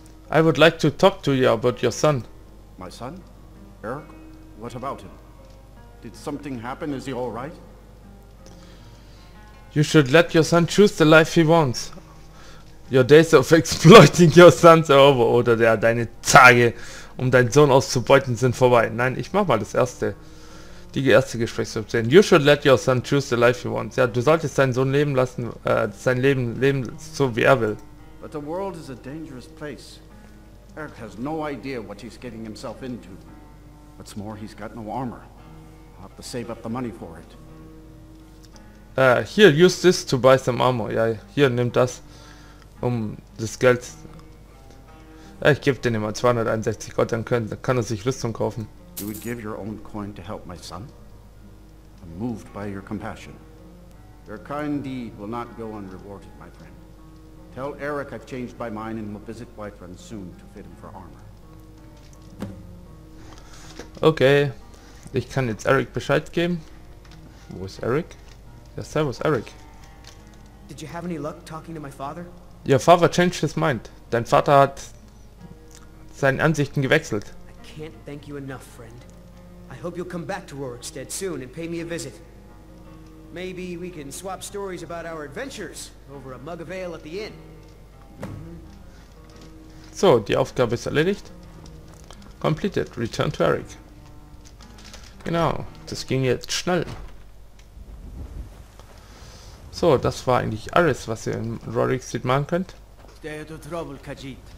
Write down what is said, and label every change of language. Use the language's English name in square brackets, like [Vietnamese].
[English] I would like to talk to you about your son. My son? Eric? What about him? Did something happen? Is he all right? You should let your son choose the life he wants. Your days of exploiting your sons are over. [German] Oder ja, deine Tage, um deinen Sohn auszubeuten, sind vorbei. Nein, ich mach mal das erste. Die erste Gesprächsoption. [English] You should let your son choose the life he wants. [German] Ja, du solltest deinen Sohn leben lassen, sein Leben leben, so wie er will. [English] But the world is a dangerous place. Eric has no idea what he's getting himself into. What's more, he's got no armor. I'll have to save up the money for it. Here, use this to buy some armor. [German] Ja, hier, nimm das. Um das Geld. Ja, ich gebe dir immer 261 Gold, dann kann er sich Rüstung kaufen. [English] You would give your own coin to help my son? I'm moved by your compassion. Your kind deed will not go unrewarded, my friend. Tell Eric I've changed my mind and will visit Whiterun soon to fit him for armor. [German] Okay, ich kann jetzt Eric Bescheid geben. Wo ist Eric? Ja, servus, Eric. [English] Did you have any luck talking to my father? Your father changed his mind. [German] Dein Vater hat seine Ansichten gewechselt. [English] Can't thank you enough, friend. I hope you'll come back to Rorikstead soon and pay me a visit. Maybe we can swap stories about our adventures over a mug of ale at the inn. [German] So, die Aufgabe ist erledigt. [English] Completed. Return to Eric. [German] Genau, das ging jetzt schnell. So, das war eigentlich alles, was ihr in Rorikstead machen könnt. [English] Stay out of trouble, Khajiit.